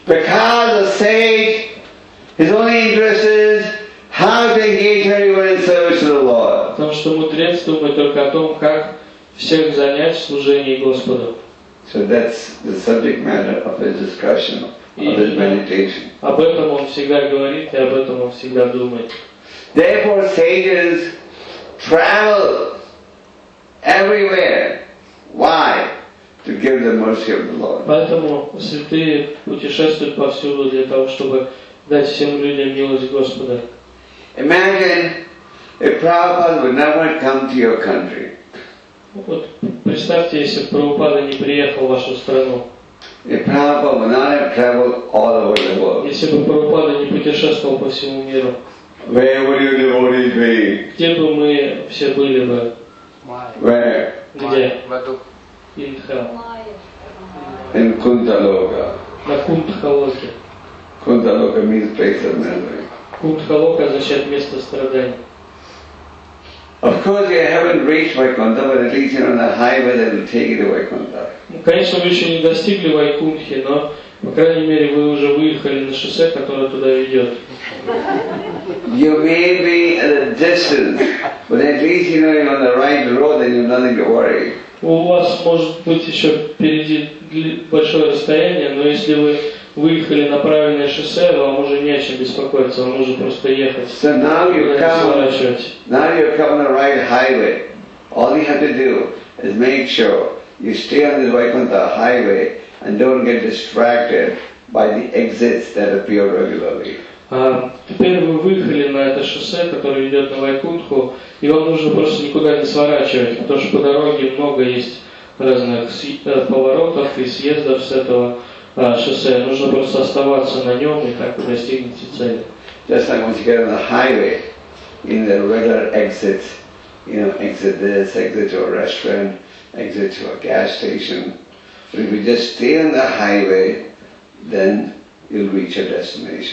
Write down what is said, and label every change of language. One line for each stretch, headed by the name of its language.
English: Because a sage, his only interest is how to engage everyone in service to the Lord.
Russian: Потому что мудрец думает только о том, как всех занять в служении Господу.
English: So that's the subject matter of his discussion, of his meditation.
Russian: Об этом он всегда говорит и об этом он всегда думает.
English: Therefore, sages travel everywhere. Why? To give the mercy of the Lord.
Russian: Поэтому святые путешествуют повсюду для того, чтобы дать всем людям милость Господа.
English: Imagine if Prabhupada would never come to your country.
Russian: Вот представьте, если бы Прабхупада не приехал в вашу страну.
English: If Prabhupada would not have traveled all over the world.
Russian: Если бы Прабхупада не путешествовал по всему миру.
English: Where would your devotees be?
Russian: Где бы мы все были бы?
English: Where?
Russian: Где? В Индхе.
English: In Кунталока.
Russian: На Кунталоке.
English: Кунталока means place of memory.
Russian: Кунталока означает место страдания.
English: Of course, you haven't reached Vaikuntha, but at least you're on the highway that will take you to Vaikuntha.
Russian: Конечно, вы еще не достигли Вайкунтхи, но по крайней мере вы уже выехали на шоссе, которое туда ведет.
English: You may be at a distance, but at least you know you're on the right road, and you've nothing to worry.
Russian: У вас может быть еще впереди большое расстояние, но если вы выехали на правильное шоссе, вам уже не о чем беспокоиться, вам нужно просто ехать.
English: So now you come on the right highway. All you have to do is make sure you stay on the Vaikuntha highway and don't get distracted by the exits that appear regularly.
Russian: Теперь вы выехали на это шоссе, которое ведет на Вайкунтху, и вам нужно просто никуда не сворачивать, потому что по дороге много есть разных поворотов и съездов с этого шоссе. Нужно просто оставаться на нем, и так вы достигнете цели.
English: Just like once you get on the highway, in the regular exit, you know, exit this, exit to a restaurant, exit to a gas station. If you just stay on the highway, then you'll reach your destination.